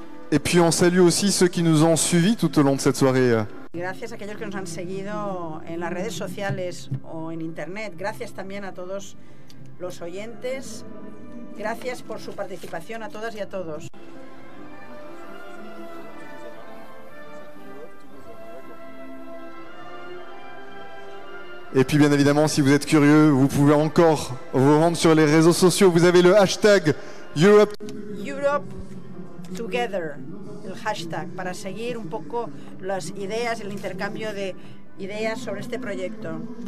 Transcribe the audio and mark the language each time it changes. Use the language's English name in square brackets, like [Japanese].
[French] Et puis on salue aussi ceux qui nous ont suivis tout au long de cette soirée. [Spanish] Gracias a aquellos que nos han seguido en las redes sociales o en internet. Gracias también a todos los oyentes. Gracias por su participación a todas y a todos. [French] Et puis bien évidemment, si vous êtes curieux, vous pouvez encore vous rendre sur les réseaux sociaux. Vous avez le hashtag Europe [Spanish] Together, el hashtag, para seguir un poco las ideas, el intercambio de ideas sobre este proyecto.